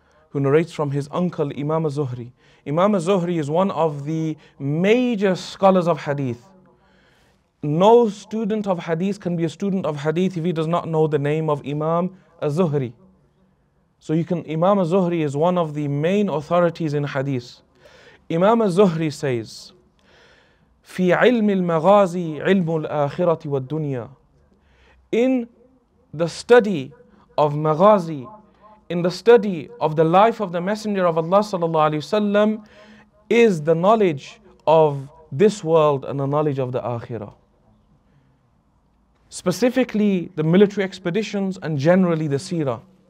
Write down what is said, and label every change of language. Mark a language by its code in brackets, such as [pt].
[en] who narrates from his uncle Imam Az-Zuhri. Imam Az-Zuhri is one of the major scholars of hadith. No student of hadith can be a student of hadith if he does not know the name of Imam Az-Zuhri. So you can, Imam Az-Zuhri is one of the main authorities in hadith. Imam Az-Zuhri says, [ar] "في علم المغازي علم الآخرة والدنيا." [en] In the study of Maghazi, in the study of the life of the Messenger of Allah sallallahu alaihi wasallam, is the knowledge of this world and the knowledge of the Akhirah. Specifically, the military expeditions and generally the Sirah.